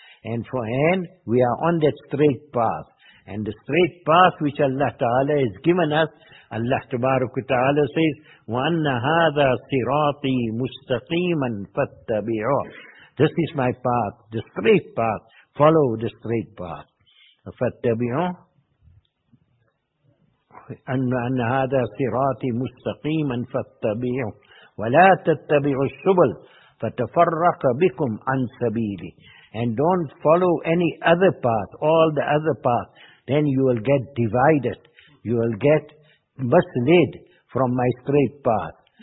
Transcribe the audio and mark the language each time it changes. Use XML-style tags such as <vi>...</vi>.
<en>And we are on that straight path. And the straight path which Allah Ta'ala has given us, Allah Ta'ala says,</en> <ar>وَأَنَّ هَذَا صِرَاطِي مُسْتَقِيمًا فَاتَّبِعُوهُ.</ar> <en>This is my path, the straight path. Follow the straight path.</en> <ar>فاتبعوه أن هذا صراطي مستقيما فاتبعوه ولا تتبعوا السبل فتفرق بكم عن سبيلي.</ar> <en>And don't follow any other path, all the other path. Then you will get divided. You will get misled from my straight path.</en>